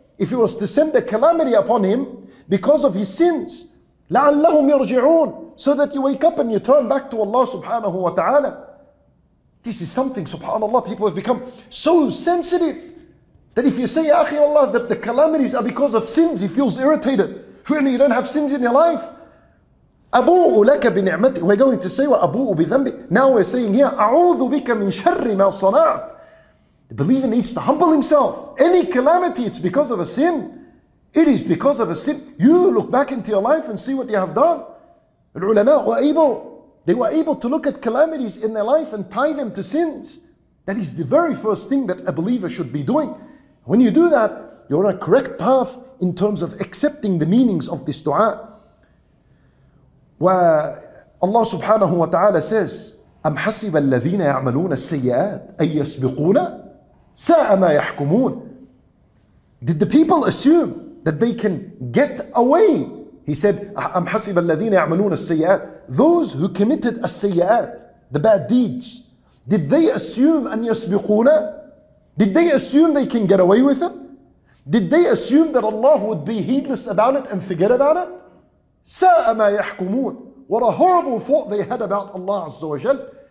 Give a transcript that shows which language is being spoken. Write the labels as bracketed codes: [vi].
[en] If He was to send a calamity upon him because of his sins, [ar] لَعَلَّهُمْ يَرْجِعُونَ, [en] so that you wake up and you turn back to Allah subhanahu wa ta'ala. This is something, subhanAllah, people have become so sensitive that if you say, Ya Akhi Allah, that the calamities are because of sins, he feels irritated. Really, you don't have sins in your life. [ar] أَبُوءُ لَكَ بِنِعْمَتِ. [en] We're going to say, [ar] وَأَبُوءُ بِذَنْبِ. [en] Now we're saying here, [ar] أَعُوذُ بِكَ مِنْ شَرِّ مَا صَنَعْتِ. [en] The believer needs to humble himself. Any calamity, it's because of a sin. It is because of a sin. You look back into your life and see what you have done. Al-ulama were able. They were able to look at calamities in their life and tie them to sins. That is the very first thing that a believer should be doing. When you do that, you're on a correct path in terms of accepting the meanings of this dua. Where Allah subhanahu wa ta'ala says, [ar] أَمْ حَسِبَ الَّذِينَ يَعْمَلُونَ السَّيِّئَاتِ أَن يَسْبِقُونَ سَاءَ مَا يَحْكُمُونَ. [en] Did the people assume that they can get away? He said, [ar] أَمْ حَسِبَ الَّذِينَ يَعْمَلُونَ السَّيِّئَاتِ. [en] Those who committed السيئات, the bad deeds, did they assume [ar] أَن يَسْبِقُونَ? [en] Did they assume they can get away with it? Did they assume that Allah would be heedless about it and forget about it? [ar] سَاءَ مَا يَحْكُمُونَ. [en] What a horrible thought they had about Allah Azza wa Jal.